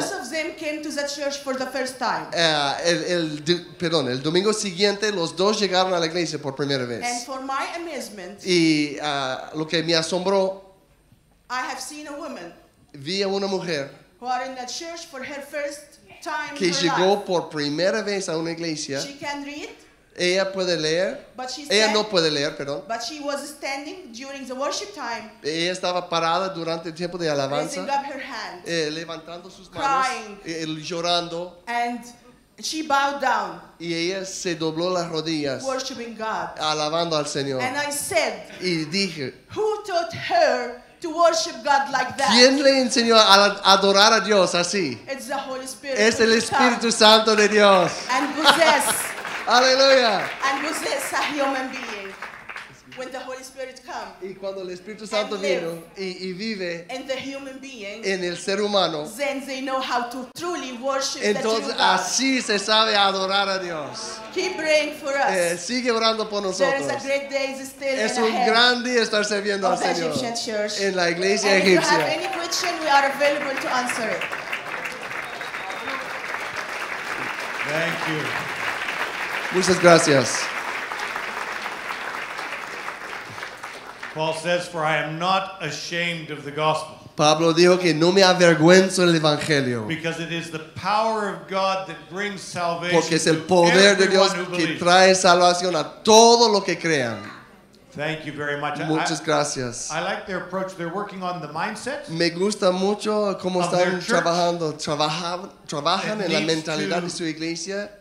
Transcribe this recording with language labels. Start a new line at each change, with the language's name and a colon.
English: Both of them came to the church for the first time.
Spanish: El domingo siguiente los dos llegaron a la iglesia por primera vez.
English: And for my amazement.
Spanish: Y lo que me asombró.
English: I have seen a woman.
Spanish: vi a una mujer
English: who are in the church for her first time
Spanish: que llegó por primera vez a una iglesia.
English: She can read.
Spanish: Ella puede leer.
English: But she
Spanish: ella no puede leer, perdón.
English: But she was standing during the worship time.
Spanish: Ella estaba parada durante el tiempo de alabanza.
English: Raising up her hands.
Spanish: Levantando sus
English: crying,
Spanish: manos. Llorando.
English: And she bowed down.
Spanish: Y ella se dobló las rodillas.
English: Worshiping God.
Spanish: Alabando al Señor.
English: And I said.
Spanish: Y dije.
English: Who taught her to worship God like that?
Spanish: ¿Quién le enseñó a adorar a Dios así?
English: It's the Holy Spirit.
Spanish: Es el Espíritu Santo de Dios.
English: And possess.
Spanish: Aleluya.
English: And possess a human being when the Holy Spirit comes.
Spanish: Y cuando el Espíritu Santo vino y vive
English: in the human being,
Spanish: en el ser humano,
English: then they know how to truly worship.
Spanish: Entonces
English: the true
Spanish: así
English: God.
Spanish: Se sabe adorar a Dios.
English: Keep praying for us.
Spanish: Sigue orando por nosotros.
English: There is a great day still
Spanish: es
English: ahead
Spanish: un gran día estar sirviendo al Señor
English: Egyptian church.
Spanish: En la iglesia
English: and
Spanish: egipcia.
English: If you have any question, we are available to answer it. Thank you.
Spanish: Muchas gracias.
English: Paul says, "For I am not ashamed of the gospel."
Spanish: Pablo dijo que no me avergüenzo del evangelio.
English: Because it is the power of God that brings salvation.
Spanish: Porque es el poder de Dios que trae salvación a todo lo que crean.
English: Thank you very much.
Spanish: Muchas gracias.
English: I like their approach. They're working on the mindset.
Spanish: Me gusta mucho cómo están trabajando, trabajan en la mentalidad de su iglesia.